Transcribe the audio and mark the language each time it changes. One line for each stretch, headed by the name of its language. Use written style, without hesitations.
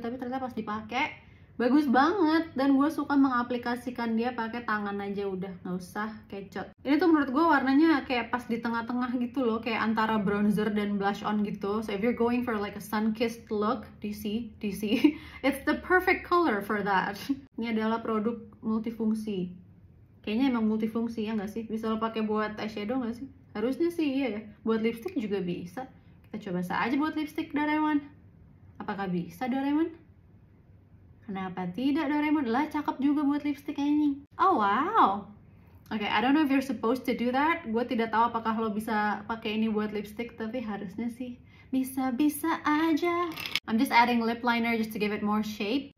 Indonesian: Tapi ternyata pas dipakai bagus banget, dan gue suka mengaplikasikan dia pakai tangan aja, udah nggak usah kecot. Ini tuh menurut gue warnanya kayak pas di tengah-tengah gitu loh, kayak antara bronzer dan blush on gitu.
English: So if you're going for like a sun-kissed look, do you see? It's the perfect color for that.
Indonesian: Ini adalah produk multifungsi. Kayaknya emang multifungsi ya nggak sih? Bisa lo pakai buat eyeshadow nggak sih? Harusnya sih iya ya. Buat lipstick juga bisa. Kita coba saja buat lipstick Doraemon. Apakah bisa Doraemon? Kenapa tidak Doraemon? Lah, cakep juga buat lipstick ini. Oh, wow.
English: Okay, I don't know if you're supposed to do that.
Indonesian: Gue tidak tahu apakah lo bisa pakai ini buat lipstick, tapi harusnya sih bisa-bisa aja.
English: I'm just adding lip liner just to give it more shape.